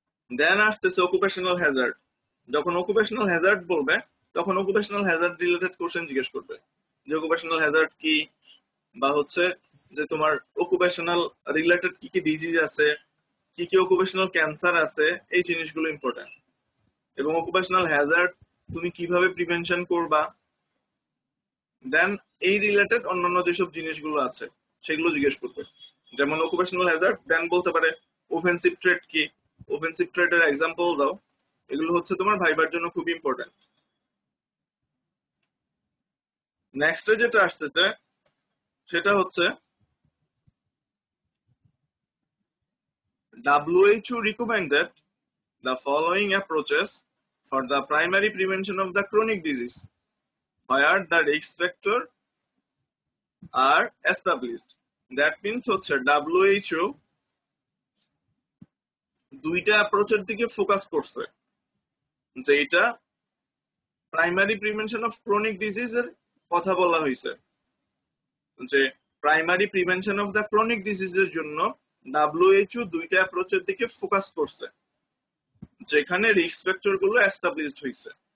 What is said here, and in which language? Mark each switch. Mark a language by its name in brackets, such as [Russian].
[Bangla] দেন আসতেছে occupational Hazard, যখন occupational Hazard বলবে তখন অকুপেশনাল হ্যাজার্ড রিলেটেড কোশ্চেন জিজ্ঞেস করবে যে অকুপেশনাল হ্যাজার্ড কি, বা হচ্ছে যে তোমার অকুপেশনাল রিলেটেড কি কি ডিজিজ আছে, কি কি অকুপেশনাল ক্যান্সার আছে, এই জিনিসগুলো ইম্পর্টেন্ট, এবং অকুপেশনাল হ্যাজার্ড তুমি কিভাবে প্রিভেনশন করবা, দেন এই রিলেটেড অন্যান্য যেসব জিনিসগুলো আছে সেগুলো জিজ্ঞেস করবে, যেমন অকুপেশনাল হ্যাজার্ড, দেন বলতে পারে ওফেন্সিভ ট্রেড কি, ওফেন্সিভ ট্রেড এর এক্সাম্পল দাও। এগুলো হচ্ছে তোমার ভাইবার জন্য খুব ইম্পর্টেন্ট। নেক্সট যেটা আসতেছে সেটা হচ্ছে [English] WHO recommended the following approaches for the primary prevention of the chronic disease where the risk factor are established. That means [Bangla] হচ্ছে WHO দুইটা অ্যাপ্রোচের দিকে ফোকাস করছে, যে এটা primary prevention of chronic disease এর কথা বলা হয়েছে, যে primary prevention of the chronic disease এর জন্য WHO দুইটা অ্যাপ্রোচের দিকে ফোকাস করছে, যেখানে রিস্ক ফ্যাক্টর গুলো এস্টাবলিশড হয়েছে।